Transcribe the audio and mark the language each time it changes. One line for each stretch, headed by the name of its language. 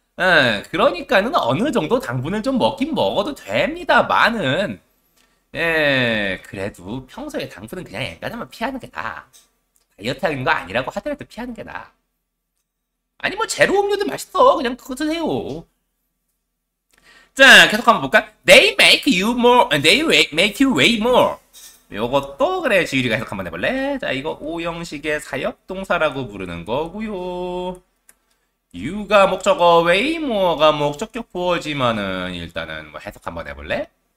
Korean: 그러니까는 어느 정도 당분을 좀 먹긴 먹어도 됩니다만은. 그래도 평소에 당분은 그냥 약간만 피하는 게 나아. 다이어트 하는 거 아니라고 하더라도 피하는 게 나아. 아니 뭐 제로 음료도 맛있어. 그냥 그거 드세요. 자, 계속 한번 볼까?
English: They make you more, they make you way more.
Korean: 요것도 그래, 지유리가 해석 한번 해볼래? 자, 이거 5형식의 사역동사라고 부르는 거고요. You가 목적어, way more가 목적격 보어지만은 일단은 뭐 해석 한번 해볼래?